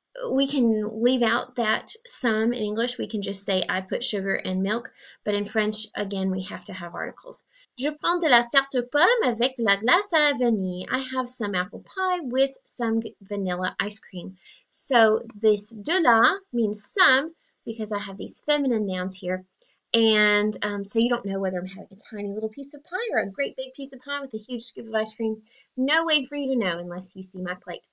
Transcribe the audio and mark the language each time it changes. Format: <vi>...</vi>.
<en>We can leave out that some in English. We can just say, I put sugar and milk. But in French, again, we have to have articles.</en> <fr>Je prends de la tarte aux pommes avec de la glace à la vanille.</fr> <en>I have some apple pie with some vanilla ice cream. So this de la means some because I have these feminine nouns here. And so you don't know whether I'm having a tiny little piece of pie or a great big piece of pie with a huge scoop of ice cream. No way for you to know unless you see my plate.</en>